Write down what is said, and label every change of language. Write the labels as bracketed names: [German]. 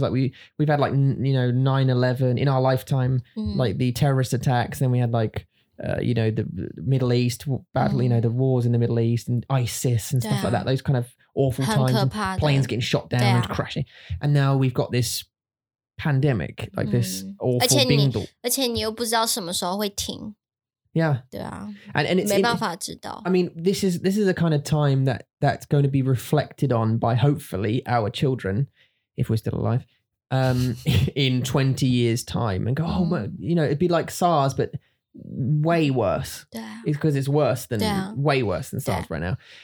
[English] Like we've had, like, you know, 9/11 in our lifetime, like the terrorist attacks. Then we had, like, you know, the Middle East battle, you know, the wars in the Middle East and ISIS and stuff like that. Those kind of awful times, planes getting shot down and crashing. And now we've got this pandemic, like this awful [Chinese] 而且你, 而且你又不知道什么时候会停。 [English] Yeah. [Chinese] 对啊, [English] and it's [Chinese] 没办法知道。 [English] I mean, this is a kind of time that's going to be reflected on by hopefully our children, if we're still alive, in 20 years' time, and go, oh, well, you know, it'd be like SARS, but way worse. Damn. It's because it's worse than, way worse than SARS right now.